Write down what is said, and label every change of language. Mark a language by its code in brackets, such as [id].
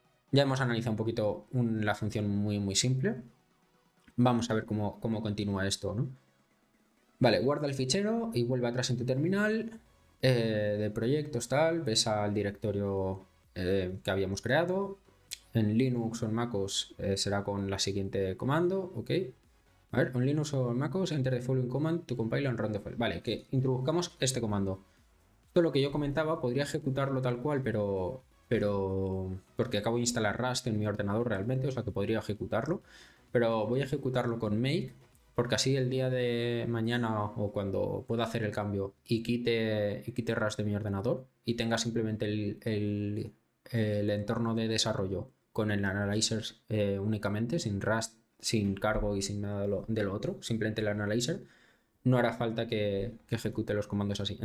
[es] Ya hemos analizado un poquito la función muy, muy simple. Vamos a ver cómo continúa esto, ¿no? Vale, guarda el fichero y vuelve atrás en tu terminal de proyectos, tal. Ves al directorio que habíamos creado. En Linux o en MacOS será con la siguiente comando, ¿ok? A ver, [en] on Linux o Mac OS, enter the following command to compile and run the file. [es] Vale, que introduzcamos este comando. Todo lo que yo comentaba podría ejecutarlo tal cual, pero porque acabo de instalar Rust en mi ordenador realmente, o sea que podría ejecutarlo. Pero voy a ejecutarlo con make, porque así el día de mañana o cuando pueda hacer el cambio y quite Rust de mi ordenador y tenga simplemente el entorno de desarrollo con el analyzer únicamente, sin Rust, sin cargo y sin nada de lo otro, simplemente el analyzer, no hará falta que ejecute los comandos así.